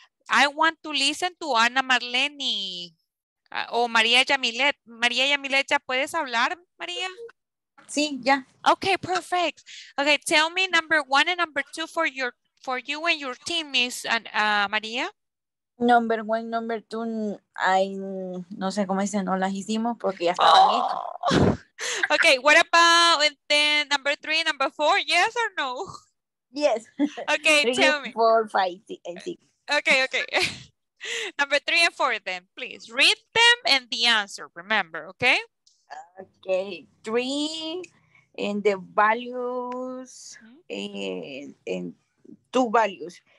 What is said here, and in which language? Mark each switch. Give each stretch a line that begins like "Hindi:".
English: I want to listen to Ana Marlene o Maria Jamilet.
Spanish: Maria Jamilet, ¿ya puedes hablar, Maria? Sí, ya. Yeah.
English: Okay, perfect. Okay, tell me number one and number two for your for you and your team, Miss Maria. Number one, number two, I
Spanish: no sé cómo dicen, no las hicimos porque ya estaban oh. listos.
English: Okay, what about then number three, number four, yes or no? Yes. Okay, three, tell me. Four, five, six. Okay, okay. Number three and four then, please. Read them and the answer, remember, okay? Okay, three and the values and two values.